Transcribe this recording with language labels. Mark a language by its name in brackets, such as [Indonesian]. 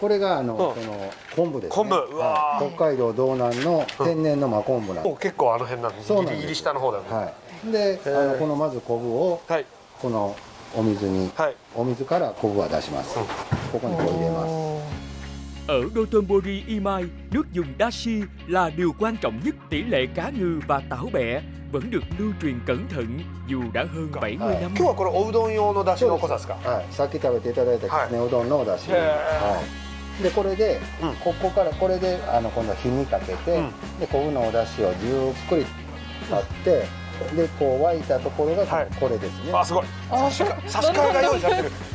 [Japanese] これがあの、うん、その昆布ですね。昆布、うわ、北海道道南の天然の真昆布なんです。うん、結構あの辺なんです。ギリギリ下の方だよね。はい、で、あのこのまず昆布をこのお水に、はい、お水から昆布は出します。うん、ここにこう入れます。 [Vietnamese] Ở Đô Tôn Bori Imai, nước dùng dashi là điều quan trọng nhất. Tỷ lệ cá ngừ và táo bẻ vẫn được lưu truyền cẩn thận dù đã hơn 70 năm. Hôm nay là cái udon [Japanese] 用の dashi の濃さですか? はい、先食べていただいたですね、うどんの dashi。はい。でこれで、うん、ここからこれであの今度は火にかけて、うん、で昆布のお出汁をじゅっくり取って、でこう沸いたところがこれですね。はい、あ、すごい。差し替えが用意されてる。